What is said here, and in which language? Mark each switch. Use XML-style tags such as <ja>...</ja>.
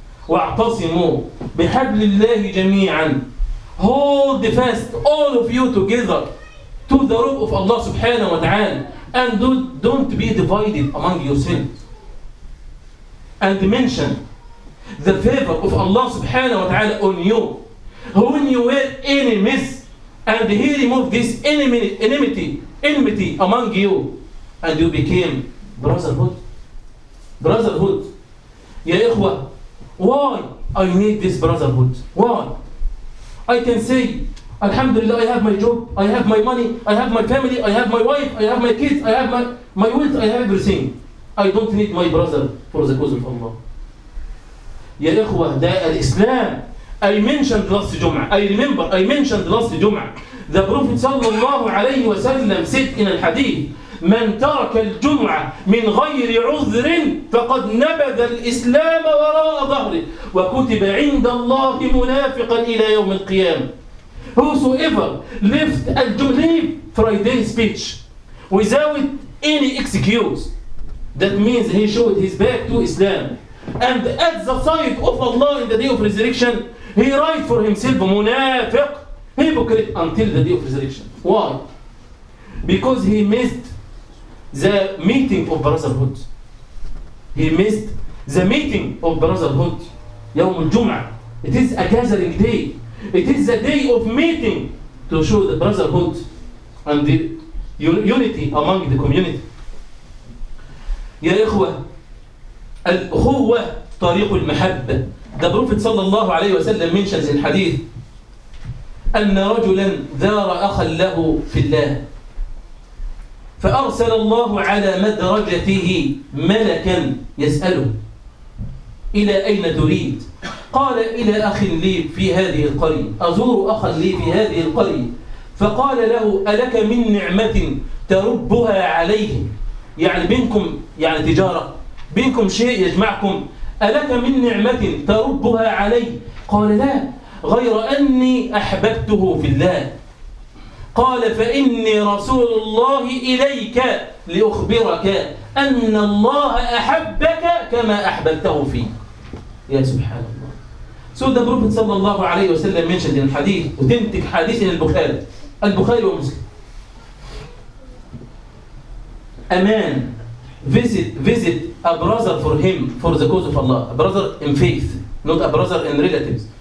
<ar>واعتصموا بحبل الله جميعا.</ar> <en>Hold fast, all of you together, to the rope of Allah subhanahu wa ta'ala, and don't be divided among yourselves. And mention the favor of Allah subhanahu wa ta'ala on you. When you were enemies, and He removed this enmity among you, and you became brotherhood. Brotherhood. Ya ikhwa. Why I need this brotherhood? Why? I can say, Alhamdulillah, I have my job, I have my money, I have my family, I have my wife, I have my kids, I have my wealth, I have everything. I don't need my brother for the cause of Allah. Ya ikhwah, that Islam, I mentioned last Jum'ah, I mentioned last Jum'ah, the Prophet sallallahu alayhi wa sallam said in al-Hadith,</en> <ar>من ترك الجمعة من غير عذر فقد نبذ الإسلام وراء ظهره وكتب عند الله منافقا إلى يوم القيامة.</ar> <en>Whosoever left a Jumu'ah Friday speech without any excuse, that means he showed his back to Islam. And at the sight of Allah in the day of resurrection, he write for himself munafiq, hypocrite until the day of resurrection. Why? Because he missed the meeting of brotherhood. He missed the meeting of brotherhood. Yawm al-Jum'ah. It is a gathering day. It is a day of meeting to show the brotherhood and the unity among the community.</en> <ar>يا إخوة الأخوة طريق المحبة.</ar> <en>The Prophet صلى الله عليه وسلم mentions in hadith</en> <ar>أن رجلا دار أخا له في الله فأرسل الله على مدرجته ملكا يسأله إلى أين تريد؟ قال إلى أخ لي في هذه القرية، أزور أخا لي في هذه القرية. فقال له ألك من نعمة تربها عليه، يعني بينكم يعني تجارة، بينكم شيء يجمعكم، ألك من نعمة تربها عليه؟ قال لا، غير أني أحببته في الله. قال فإني رسول الله إليك لأخبرك أن الله أحبك كما أحببته فيه. يا سبحان الله.</ar> <en>So the Prophet صلى الله عليه وسلم mentioned in hadith, authentic hadith in البخاري ومسلم. A man visit a brother for him, for the cause of Allah. A brother in faith, not a brother in relatives.</en>